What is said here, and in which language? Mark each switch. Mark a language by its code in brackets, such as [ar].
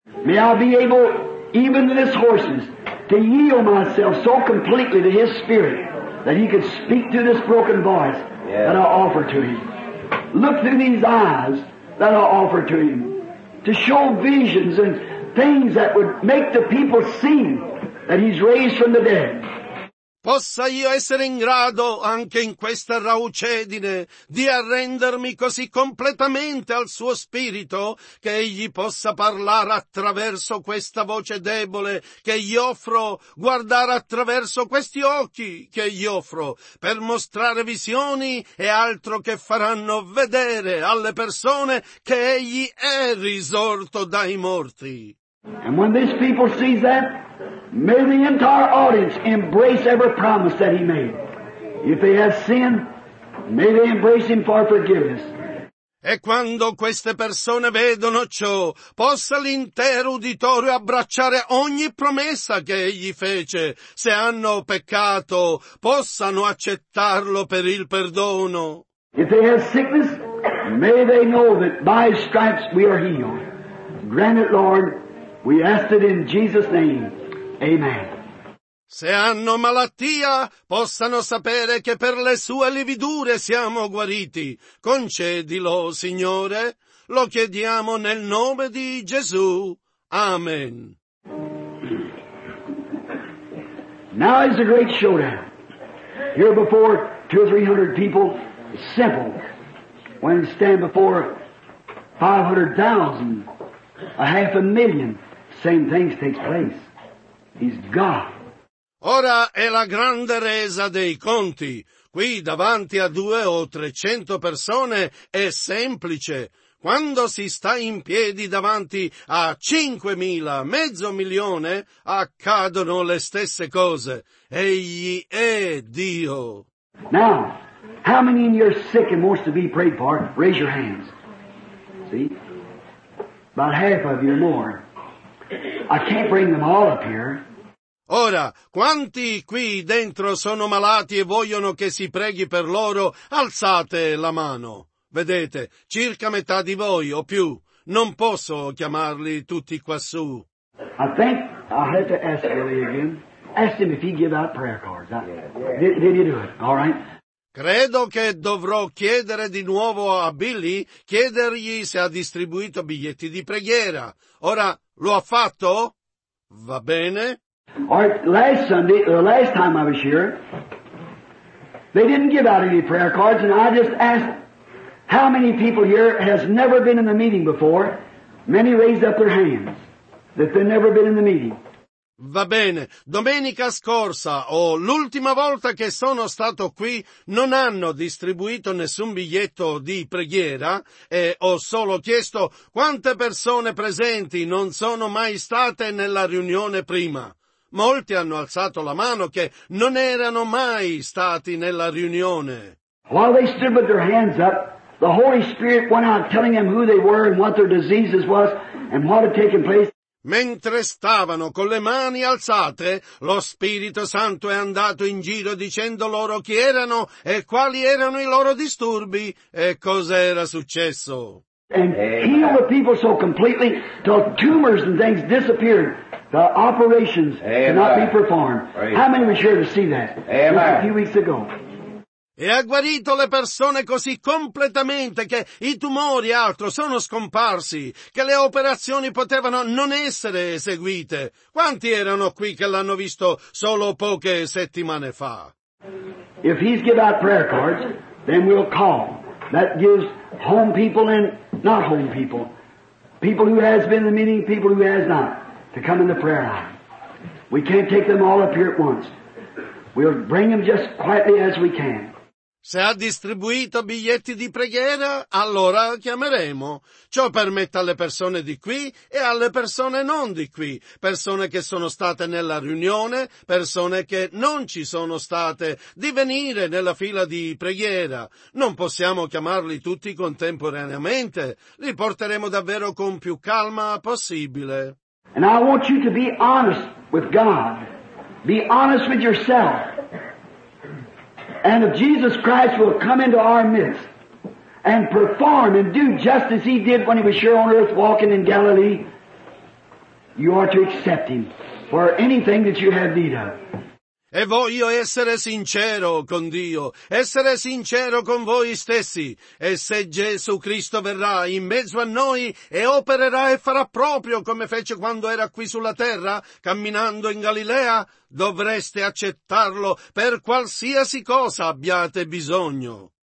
[en] May I be able, even in His horses, to yield myself so completely to His Spirit, that He could speak through this broken voice that I offer to Him. Look through these eyes that I offer to Him to show visions and things that would make the people see that He's raised from the dead. [it] Possa io essere in grado, anche in questa raucedine, di arrendermi così completamente al Suo Spirito, che Egli possa parlare attraverso questa voce debole che gli offro, guardare attraverso questi occhi che gli offro, per mostrare visioni e altro che faranno vedere alle persone che Egli è risorto dai morti. [en] And when these people see that, may the entire audience embrace every promise that He made. If they have sinned, may they embrace Him for forgiveness. [it] E quando queste persone vedono ciò, possa l'intero uditorio abbracciare ogni promessa che Egli fece. Se hanno peccato, possano accettarlo per il perdono. [en] If they have sickness, may they know that by His stripes we are healed. Grant it, Lord. We ask it in Jesus' name. Amen. [it] Se hanno malattia, possano sapere che per le sue lividure siamo guariti. Concedilo, Signore. Lo chiediamo nel nome di Gesù. Amen. [en] Now is a great showdown. Here before 200 or 300 people, simple. When you stand before 500,000, a half a million, same thing takes place. He's God. [it] Ora è la grande resa dei conti. Qui davanti a 200 o 300 persone è semplice. Quando si sta in piedi davanti a 5,000, 500,000, accadono le stesse cose. Egli è Dio. [en] Now, how many in you are sick and wants to be prayed for? Raise your hands. See? About half of you more. I can't bring them all up here. [it] Ora, quanti qui dentro sono malati e vogliono che si preghi per loro, alzate la mano. Vedete, circa metà di voi o più. Non posso chiamarli tutti quassù. [en] I think I'll have to ask Billy again. Ask him if he give out prayer cards. Did you do it? All right. [it] Credo che dovrò chiedere di nuovo a Billy, chiedergli se ha distribuito biglietti di preghiera. Ora, lo ha fatto? Va bene? [en] All right, last Sunday, the last time I was here, they didn't give out any prayer cards, and I just asked how many people here has never been in the meeting before. Many raised up their hands that they've never been in the meeting. [it] Va bene, domenica scorsa o l'ultima volta che sono stato qui non hanno distribuito nessun biglietto di preghiera e ho solo chiesto quante persone presenti non sono mai state nella riunione prima. Molti hanno alzato la mano che non erano mai stati nella riunione. [en] While they stood with their hands up, the Holy Spirit went out telling them who they were and what their diseases was and what had taken place. [it] Mentre stavano con le mani alzate, lo Spirito Santo è andato in giro dicendo loro chi erano e quali erano i loro disturbi e cosa era successo. [en] And healed the people so completely till tumors and things disappeared. The operations cannot be performed. How many were here to see that? Amen. Just a few weeks ago. [it] E ha guarito le persone così completamente che i tumori e altro sono scomparsi, che le operazioni potevano non essere eseguite. Quanti erano qui che l'hanno visto solo poche settimane fa? [en] If he's given out prayer cards, then we'll call. That gives home people and not home people, people who has been in the meeting, people who has not, to come in the prayer line. We can't take them all up here at once. We'll bring them just quietly as we can. [it] Se ha distribuito biglietti di preghiera, allora chiameremo. Ciò permette alle persone di qui e alle persone non di qui, persone che sono state nella riunione, persone che non ci sono state, di venire nella fila di preghiera. Non possiamo chiamarli tutti contemporaneamente. Li porteremo davvero con più calma possibile. [en] And I want you to be honest with God. Be honest with yourself. And if Jesus Christ will come into our midst and perform and do just as he did when he was here on earth walking in Galilee, you are to accept him for anything that you have need of. [it] E voglio essere sincero con Dio, essere sincero con voi stessi. E se Gesù Cristo verrà in mezzo a noi e opererà e farà proprio come fece quando era qui sulla terra, camminando in Galilea, dovreste accettarlo per qualsiasi cosa abbiate bisogno.